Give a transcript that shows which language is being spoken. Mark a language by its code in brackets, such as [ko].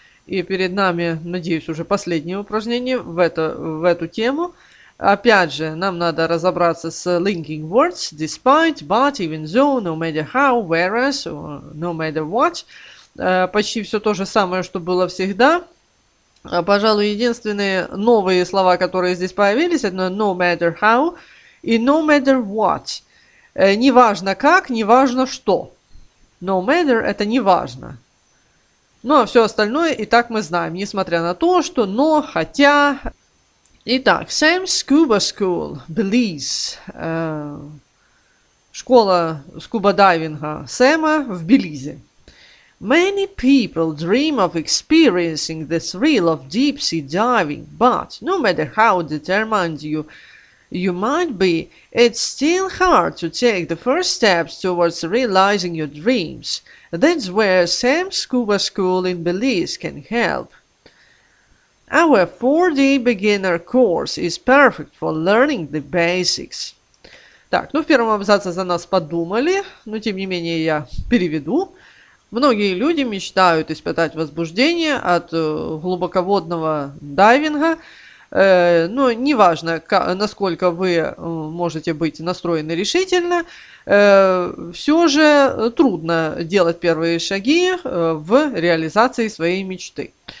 [ru] И перед нами, надеюсь, уже последнее упражнение в эту тему. Опять же, нам надо разобраться с linking words. [en] Despite, but, even though, no matter how, whereas, or no matter what. [ru] Почти все то же самое, что было всегда. Пожалуй, единственные новые слова, которые здесь появились, это no matter how и no matter what. Неважно как, неважно что. No matter – это неважно. Ну, а все остальное и так мы знаем, несмотря на то, что но, хотя. [en] Итак, same scuba school, Belize. [ru] Школа скуба-дайвинга Сэма в Белизе. [en] Many people dream of experiencing the thrill of deep sea diving, but no matter how determined you might be, it's still hard to take the first steps towards realizing your dreams. That's where Sam's Scuba School in Belize can help. Our 4-day beginner course is perfect for learning the basics. [ru] Так, ну в первом абзаце за нас подумали, но тем не менее я переведу. Многие люди мечтают испытать возбуждение от глубоководного дайвинга. Но неважно, насколько вы можете быть настроены решительно, все же трудно делать первые шаги в реализации своей мечты.